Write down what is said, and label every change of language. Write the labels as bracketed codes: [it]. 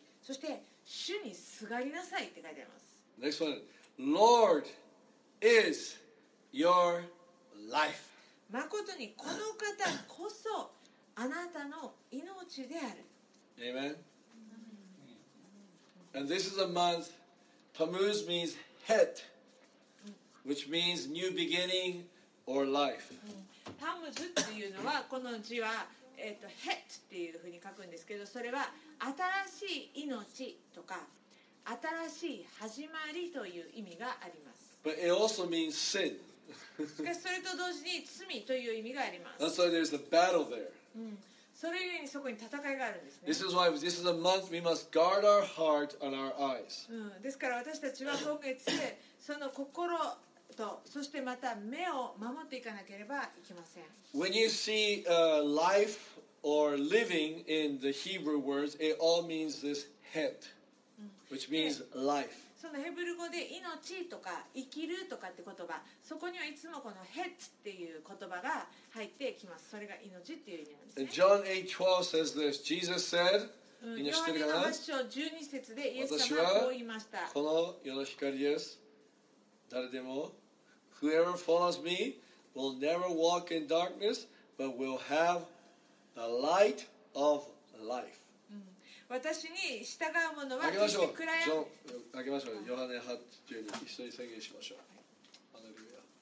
[ja] そして主にすがりなさいって書いてあります。 [en] Next one. Lord is your life. [ja] まことにこの方こそあなたの命である。 [en] Amen. And this is a month. Tammuz means het, which means new beginning or life. [ja] Tammuz っていうのはこの字は het っていうふうに書くんですけど、それは新しい命とか新しい始まりという意味があります。 [en] But it also means sin. [ja] しかしそれと同時に罪という意味があります。 [en] That's why there's a battle there. [ja] それゆえにそこに戦いがあるんですね。 [en] This is why this is a month we must guard our heart and our eyes. [ja] ですから私たちは今月でその心とそしてまた目を守っていかなければいけません。 [en] When you see life or living in the Hebrew words, it all means this het, which means life. [ja] そのヘブル語で命とか生きるとかって言葉、そこにはいつもこの het っていう言葉が入ってきます。それが命っていう意味なんですね。 [en] John 8:12 says this. Jesus said, [ja] ヨハネの8章12節でイエス様はこう言いました。この世の光です。誰でも [en] Whoever follows me will never walk in darkness but will have the light of life. [ja] 私に従う者は決して暗闇、開けましょう。ヨハネ8:12一緒に宣言しましょう。